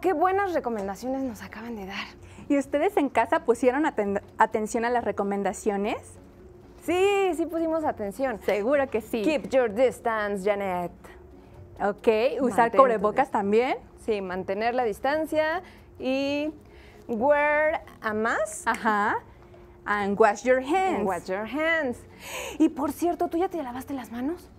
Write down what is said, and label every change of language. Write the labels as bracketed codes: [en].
[es] ¡Qué buenas recomendaciones nos acaban de dar! ¿Y ustedes en casa pusieron atención a las recomendaciones? Sí, sí pusimos atención. Seguro que sí. [en] Keep your distance, Janet. [es] Ok, usar cubrebocas también. Sí, mantener la distancia y wear a mask. [en] Ajá. And wash your hands. And wash your hands. [es] Y por cierto, ¿tú ya te lavaste las manos?